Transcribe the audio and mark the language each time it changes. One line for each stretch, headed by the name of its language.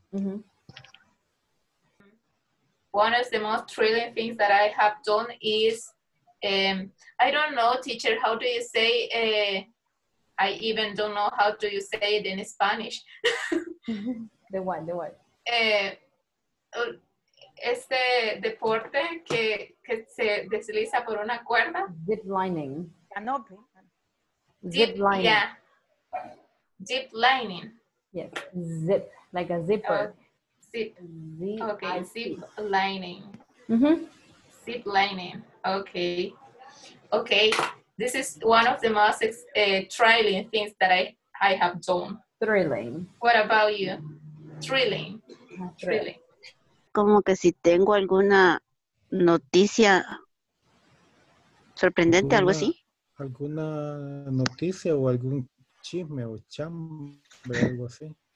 English: Mm-hmm. One of the most thrilling things that I have done is, I don't know, teacher, how do you say, I even don't know how do you say it in Spanish. The what?
Spanish: Este deporte que se desliza por una cuerda.
English: Zip lining. Canopy. Zip lining. Yeah. Zip lining. Yes. Zip. Like a zipper. Zip. Z-I-P. Okay. Zip lining. Mm-hmm. Zip lining. Okay. Okay. This is one of the most thrilling things that I have done. Thrilling. What about you? Thrilling.
Spanish: Como que si tengo alguna noticia sorprendente, algo así. Alguna noticia o algún chisme o chambre, algo así.